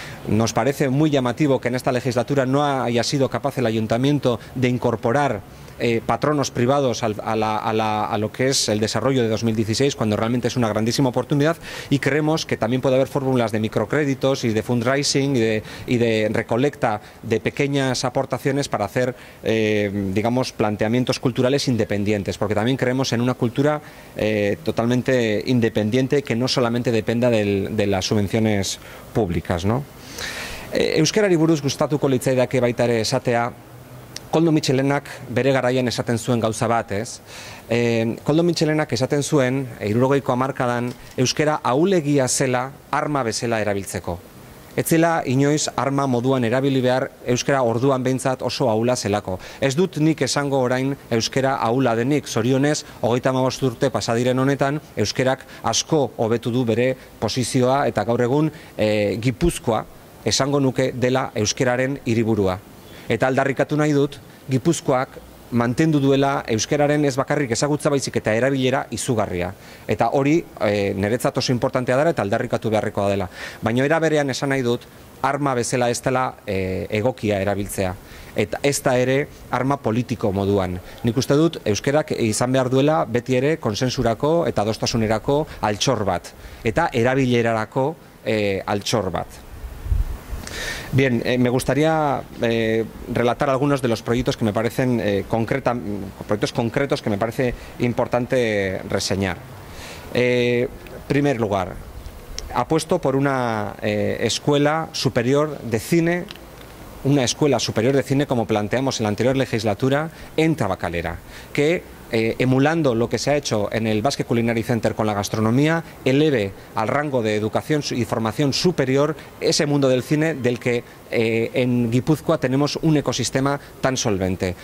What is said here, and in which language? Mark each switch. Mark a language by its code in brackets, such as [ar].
[es] Nos parece muy llamativo que en esta legislatura no haya sido capaz el ayuntamiento de incorporar patronos privados a lo que es el desarrollo de 2016, cuando realmente es una grandísima oportunidad, y creemos que también puede haber fórmulas de microcréditos y de fundraising y de recolecta de pequeñas aportaciones para hacer, digamos, planteamientos culturales independientes, porque también creemos en una cultura totalmente independiente que no solamente dependa de las subvenciones públicas, ¿no? [eu] Euskarari buruz gustatuko litzaidake baita ere esatea, Koldo Mitxelenak bere garaian esaten zuen gauza bat, ez? Koldo Mitxelenak esaten zuen, 60ko hamarkadan, euskera ahulegia zela arma bezala erabiltzeko. Ez zela inoiz arma moduan erabili behar euskera orduan behintzat oso ahula zelako. Ez dut nik esango orain euskera ahula denik, zorionez, 35 urte pasadiren honetan, euskerak asko hobetu du bere posizioa eta gaur egun Gipuzkoa esango nuke dela euskeraren hiriburua. Eta aldarrikatu nahi dut, Gipuzkoak mantendu duela euskeraren ez bakarrik ezagutza baizik eta erabilera izugarria. Eta hori niretzat oso importantea dara eta aldarrikatu beharrekoa dela. Baina era berean esan nahi dut, arma bezala ez dela egokia erabiltzea. Eta ez da ere arma politiko moduan. Nik uste dut, euskerak izan behar duela beti ere konsensurako eta adostasunerako altxor bat. Eta erabilerarako altxor bat. [es] Bien, me gustaría relatar algunos de los proyectos que me parecen proyectos concretos que me parece importante reseñar. Primer lugar, apuesto por una escuela superior de cine, una escuela superior de cine como planteamos en la anterior legislatura en Tabakalera, que emulando lo que se ha hecho en el Basque Culinary Center con la gastronomía, eleve al rango de educación y formación superior ese mundo del cine del que en Guipúzcoa tenemos un ecosistema tan solvente.